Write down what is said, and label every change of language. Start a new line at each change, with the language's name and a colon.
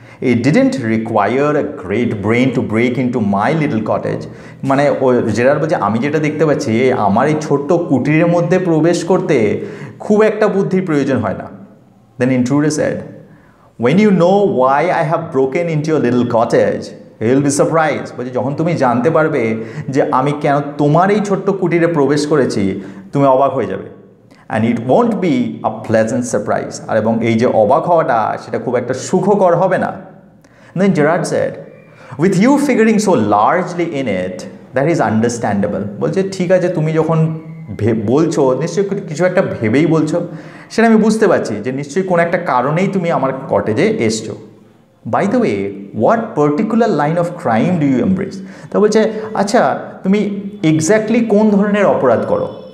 English: It didn't require a great brain to break into my little cottage,
Bangla: mane Jirat bolche ami jeta dekhte pacchi amar ei chotto kutirer moddhe probesh korte খুব একটা বুদ্ধির প্রয়োজন হয় না।
English: Then intruder said When you know why I have broken into your little cottage, he'll be surprised.
Bangla: বলছে যখন তুমি জানতে পারবে যে আমি কেন তোমার এই ছোট্ট কুটিরে প্রবেশ করেছি, তুমি অবাক হয়ে যাবে.
English: And it won't be a pleasant surprise.
Bangla: আর এবং এই যে অবাক হওয়াটা সেটা খুব একটা সুখকর হবে না.
English: Then Gerard said, with you figuring so largely in it, that is understandable.
Bangla: বলছে ঠিক আছে, তুমি যখন বলছো নিশ্চয়ই কিছু একটা ভেবেই বলছো, সেটা আমি বুঝতে পারছি যে নিশ্চয়ই কোনো একটা কারণেই তুমি আমার কটেজে এসছো.
English: By the way, what particular line of crime do you embrace?
Bangla: তা বলছে আচ্ছা, তুমি এক্স্যাক্টলি কোন ধরনের অপরাধ করো?